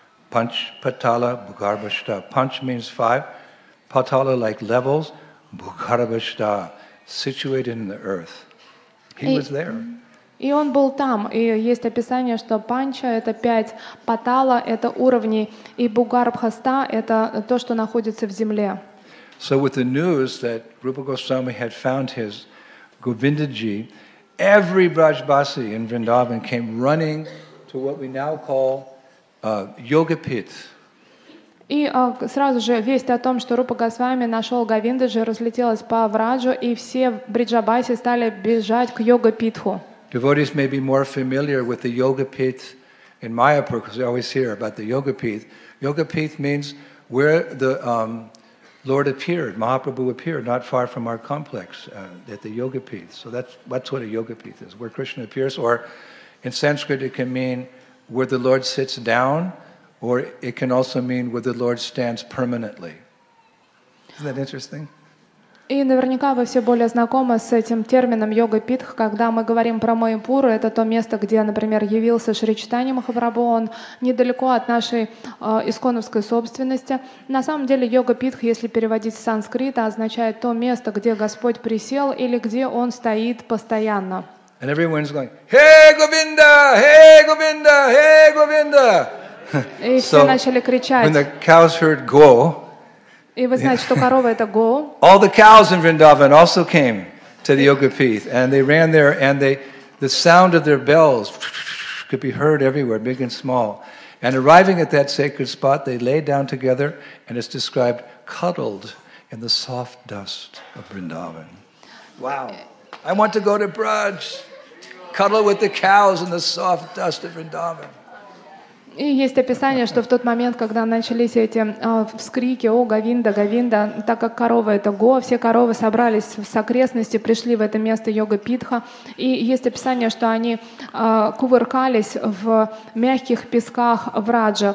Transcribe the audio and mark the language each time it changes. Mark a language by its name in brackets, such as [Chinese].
[English] Панчпатала Бхугарбашта. Панч means five, патала like levels, Бхугарбашта situated in the earth. He was there. [Russian] И он был там. И есть описание, что панча — это пять, патала — это уровни, и бугарбхаста — это то, что находится в земле. [English] So with the news that Rupa Goswami had found his Govindaji, every Brajbasi in Vrindavan came running to what we now call Yogapith. [Russian] И сразу же весть о том, что Рупа Госвами нашел Говиндаджи, разлетелась по Враджу, и все Бриджабаси стали бежать к Йогапитху. [English] Devotees may be more familiar with the Yogapith in Mayapur, because we always hear about the Yogapith. Yogapith means where the Lord appeared, Mahaprabhu appeared, not far from our complex, at the Yogapith. So that's what a Yogapith is, where Krishna appears. Or in Sanskrit, it can mean where the Lord sits down, or it can also mean where the Lord stands permanently. Isn't that interesting? [Russian] И наверняка вы все более знакомы с этим термином йога питх, когда мы говорим про Майяпуру, это то место, где, например, явился Шри Чайтанья Махапрабху, он недалеко от нашей исконовской собственности. На самом деле йога питх, если переводить с санскрита, означает то место, где Господь присел или где Он стоит постоянно. [English] And everyone's going, hey, Govinda, hey, Govinda, hey, Govinda. [Russian] И все начали кричать. [English] When the cows heard go, [Russian] и вы знаете, что корова это go. [English] All the cows in Vrindavan also came to the yoga pith, and they ran there, and the sound of their bells could be heard everywhere, big and small. And arriving at that sacred spot, they lay down together, and it's described cuddled in the soft dust of Vrindavan. Wow. I want to go to Braj, cuddle with the cows in the soft dust of Vrindavan. [Russian] И есть описание, что в тот момент, когда начались эти вскрики, о, Говинда, Говинда, так как корова это го, все коровы собрались с окрестности, пришли в это место йога питха, и есть описание, что они кувыркались в мягких песках Враджа.